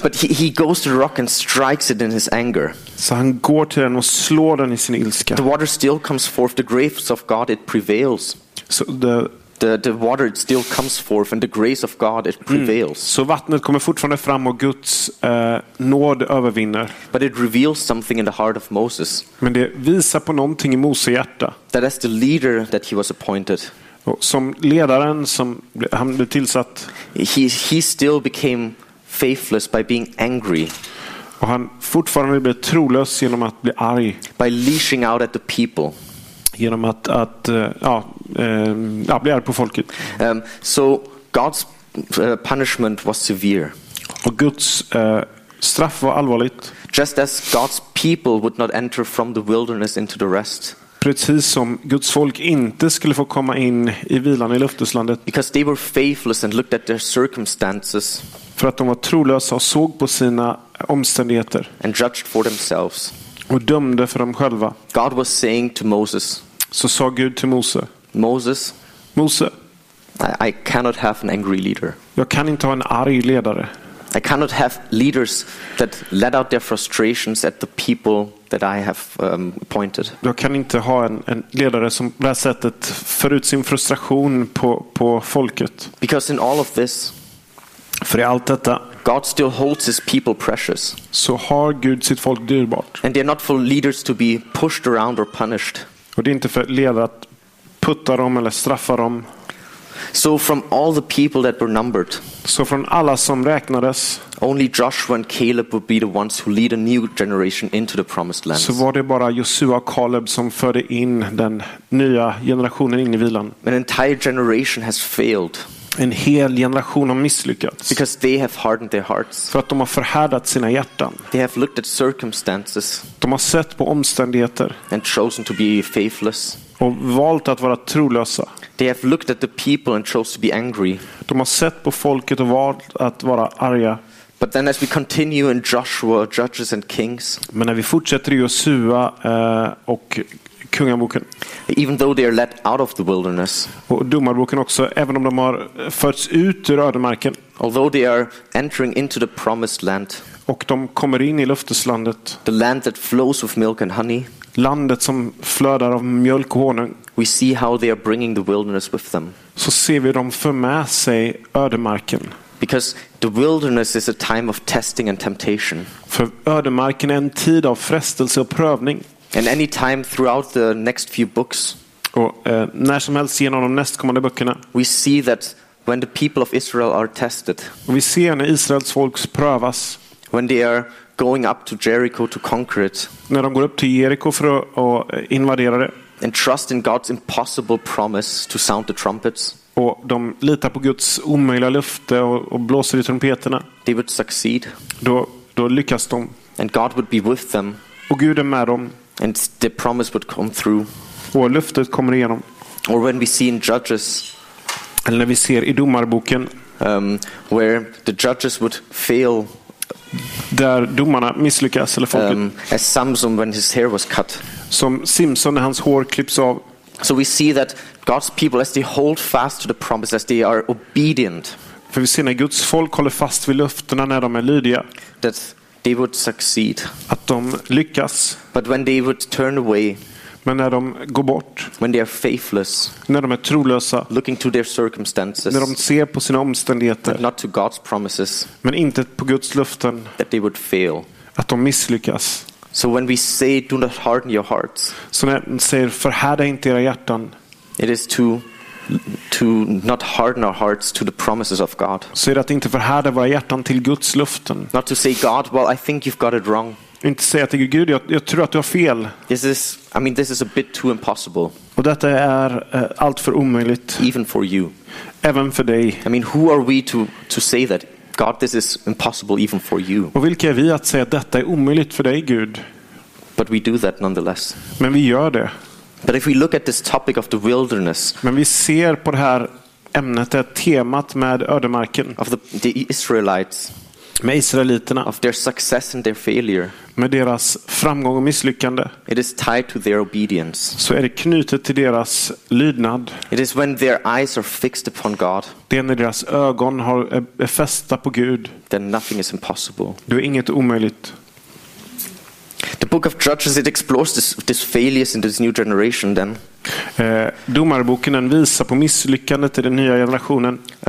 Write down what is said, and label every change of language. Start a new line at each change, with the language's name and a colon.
English: But he goes to the rock and strikes it in his anger.
Swedish: Så han går till den och slår den i sin ilska.
English: The water still comes forth, the grace of God it prevails. So the water it still comes forth and the grace of God it prevails.
Swedish: Så vattnet kommer fortfarande fram och Guds nåd övervinner.
English: But it reveals something in the heart of Moses.
Swedish: Men det visar på någonting i Moses hjärta.
English: That as the leader that he was appointed.
Swedish: Som ledaren som han blev tillsatt.
English: He still became faithless by being angry.
Swedish: Och han fortfarande blev trolös genom att bli arg.
English: By lashing out at the people.
Swedish: Genom att bli arg på folket.
English: So God's punishment was severe.
Swedish: Och Guds straff var allvarligt.
English: Just as God's people would not enter from the wilderness into the rest.
Swedish: Precis som Guds folk inte skulle få komma in i vilan i löfteslandet.
English: Because they were faithless and looked at their circumstances.
Swedish: För att de var trolösa och såg på sina omständigheter.
English: And judged for themselves.
Swedish: och dömde för dem själva.
English: God was saying to Moses.
Swedish: Så sa Gud till Mose.
English: Moses.
Swedish: Mose.
English: I cannot have an angry leader.
Swedish: Jag kan inte ha en arg ledare.
English: I cannot have leaders that let out their frustrations at the people that I have appointed.
Swedish: Jag kan inte ha en ledare som på det här sättet för ut sin frustration på folket.
English: Because in all of this,
Swedish: för i allt detta,
English: God still holds his people precious.
Swedish: Så har Gud sitt folk dyrbart.
English: And they're not for leaders to be pushed around or punished.
Swedish: Och det är inte för ledare att putta dem eller straffa dem.
English: So from all the people that were numbered,
Swedish: så från alla som räknades,
English: only Joshua and Caleb would be the ones who lead a new generation into the promised land.
Swedish: Så var det bara Josua och Caleb som förde in den nya generationen in i vilan.
English: An entire generation has failed.
Swedish: En hel generation har misslyckats.
English: Because they have hardened their hearts.
Swedish: För att de har förhärdat sina hjärtan.
English: They have looked at circumstances.
Swedish: De har sett på omständigheter.
English: And chosen to be faithless.
Swedish: Och valt att vara trolösa.
English: They have looked at the people and chose to be angry.
Swedish: De har sett på folket och valt att vara arga.
English: But then as we continue in Joshua, Judges and Kings.
Swedish: Men när vi fortsätter i Josua och Kungaboken.
English: Even though they are let out of the wilderness.
Swedish: Och Domarboken också, även om de har förts ut ur ödemarken.
English: Although they are entering into the promised land.
Swedish: Och de kommer in i löfteslandet.
English: The land that flows with milk and honey.
Swedish: Landet som flödar av mjölk och honung.
English: We see how they are bringing the wilderness with them.
Swedish: Så ser vi dem för med sig ödemarken.
English: Because the wilderness is a time of testing and temptation.
Swedish: För ödemarken är en tid av frestelse och prövning.
English: And any time throughout the next few books.
Swedish: Och när som helst genom de nästkommande böckerna.
English: We see that when the people of Israel are tested.
Swedish: Och vi ser när Israels folk prövas.
English: When they are going up to Jericho to conquer it.
Swedish: När de går upp till Jericho för att invadera det.
English: And trust in God's impossible promise to sound the trumpets.
Swedish: Och de litar på Guds omöjliga löfte och blåser i trumpeterna.
English: They would succeed.
Swedish: Då lyckas de.
English: And God would be with them.
Swedish: Och Gud är med dem.
English: And the promise would come through.
Swedish: Och löftet kommer igenom.
English: Or when we see in Judges.
Swedish: Eller när vi ser i Domarboken.
English: Where the judges would fail.
Swedish: Där domarna misslyckas eller folket.
English: As Samson when his hair was cut.
Swedish: Som Simson när hans hår klipps av.
English: So we see that God's people as they hold fast to the promise as they are obedient.
Swedish: För vi ser när Guds folk håller fast vid löftena när de är lydiga.
English: That they would succeed.
Swedish: Att de lyckas.
English: But when they would turn away.
Swedish: Men när de går bort.
English: When they are faithless.
Swedish: När de är trolösa.
English: Looking to their circumstances.
Swedish: När de ser på sina omständigheter.
English: But not to God's promises.
Swedish: Men inte på Guds löften.
English: That they would fail.
Swedish: Att de misslyckas.
English: So when we say do not harden your hearts.
Swedish: Så när man säger förhärda inte era hjärtan.
English: It is to not harden our hearts to the promises of God.
Swedish: Så är det att inte förhärda våra hjärtan till Guds löften.
English: Not to say God, well I think you've got it wrong.
Swedish: Inte säga till Gud jag tror att du har fel.
English: This is a bit too impossible.
Swedish: Och detta är allt för omöjligt.
English: Even for you.
Swedish: Även för dig.
English: I mean who are we to say that God this is impossible even for you.
Swedish: Och vilka är vi att säga att detta är omöjligt för dig Gud?
English: But we do that nonetheless.
Swedish: Men vi gör det.
English: But if we look at this topic of the wilderness.
Swedish: Men vi ser på det här ämnet, det här temat med ödemarken.
English: Of the Israelites.
Swedish: Med israeliterna.
English: Of their success and their failure.
Swedish: Med deras framgång och misslyckande.
English: It is tied to their obedience.
Swedish: Så är det knutet till deras lydnad.
English: It is when their eyes are fixed upon God.
Swedish: Det är när deras ögon är fästa på Gud.
English: Then nothing is impossible.
Swedish: Då är inget omöjligt.
English: The book of Judges it explores this failures in this new generation then.
Swedish: Domarboken den visar på misslyckandet i den nya generationen.